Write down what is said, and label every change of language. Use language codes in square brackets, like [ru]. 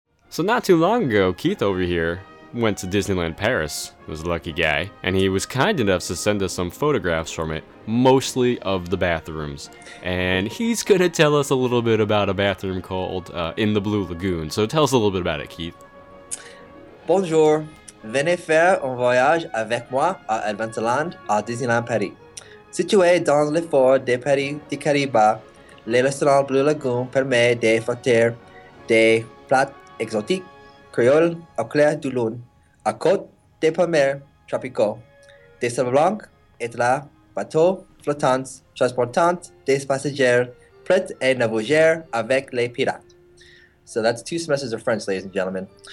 [en] So not too long ago, Keith over here went to Disneyland Paris. He was a lucky guy. And he was kind enough to send us some photographs from it, mostly of the bathrooms. And he's gonna tell us a little bit about a bathroom called In the Blue Lagoon. So tell us a little bit about it, Keith. [fr] Bonjour, venez faire un voyage avec moi à Adventureland, à Disneyland Paris. Situé dans le fort de Paris du Caribe, le restaurant Blue Lagoon permet de fêter des plats exotiques, créoles au clair de lune, à côte des palmiers tropicaux, des sables blancs et de la bateau flottant, transportant des passagers prêts à naviguer avec les pirates. [en] So that's two semesters of French, ladies and gentlemen.